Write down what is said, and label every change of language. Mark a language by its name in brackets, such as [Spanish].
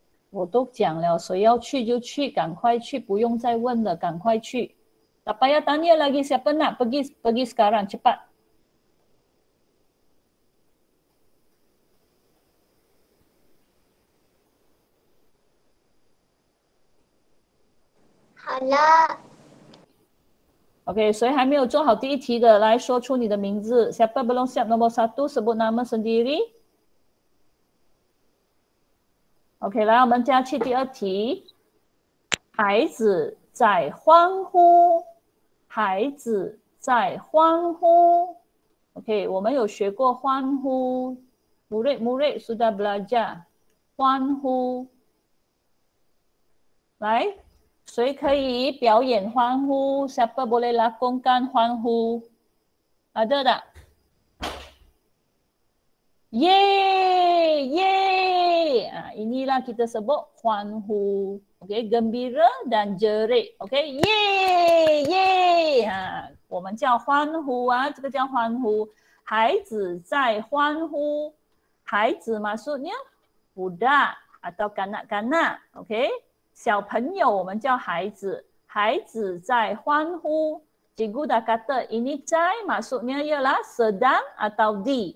[Chinese] 我都讲了，所以要去就去，赶快去，不用再问了，赶快去。 [Malay] Tak payah tanya lagi siapa nak pergi pergi sekarang cepat. [English] Hello. [Chinese] Okay, 谁还没有做好第一题的，来说出你的名字。 [Malay] Siapa belum siap nombor satu sebut nama sendiri. [Chinese] Okay, 来我们接下去第二题。孩子在欢呼。孩子在欢呼 ，OK， 我们有学过欢呼 ， [Malay] murid murid sudah belajar [Chinese] 欢呼。来，谁可以表演欢呼 ？ [Malay] Siapa boleh lakonkan [Chinese] 欢呼？好的的，耶耶啊， [Malay] inilah kita sebut [Chinese] 欢呼，OK， [Malay] gembira dan jerit， [Chinese] OK，耶耶啊，我们叫欢呼啊，这个叫欢呼，孩子在欢呼，孩子 [Malay] maksudnya budak atau kanak-kanak， [Chinese] OK，小朋友我们叫孩子，孩子在欢呼。 [Malay] Cikgu dah kata ini cai maksudnya ialah sedang atau di.